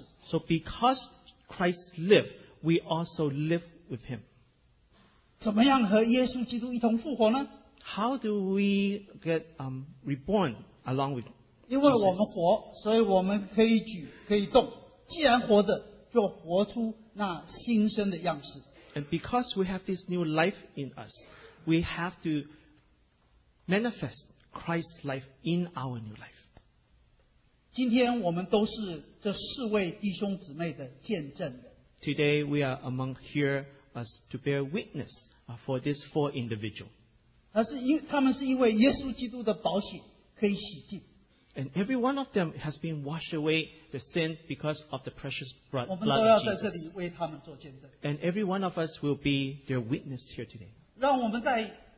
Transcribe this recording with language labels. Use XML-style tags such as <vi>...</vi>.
<en>So because Christ lived, we also live with Him. How do we get reborn along with Jesus?</en> <zh>因为我们活, 所以我们可以举, 可以动, 既然活着,</zh> <en>and because we have this new life in us, we have to manifest Christ's life in our new life.</en> <zh>今天我们都是这四位弟兄姊妹的见证人。</zh> <en>Today we are among here as to bear witness for these four individuals.</en> <zh>他们是因为耶稣基督的宝血可以洗净。</zh> <en>And every one of them has been washed away the sin because of the precious blood of Jesus. And every one of us will be their witness here today.</en>